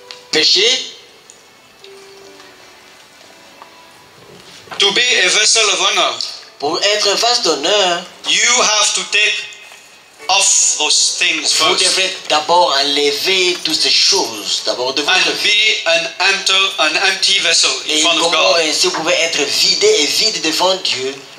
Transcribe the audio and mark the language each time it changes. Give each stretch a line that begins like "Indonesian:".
French: Péché?
English: To be a vessel of honor.
French: Pour être un vase d'honneur,
English: you have to take off those things
French: vous
English: first.
French: Vous devez d'abord enlever toutes ces choses d'abord de votre vie.
English: And be an empty vessel in front of God.
French: Et si vous pouvez être vidé et vide devant Dieu,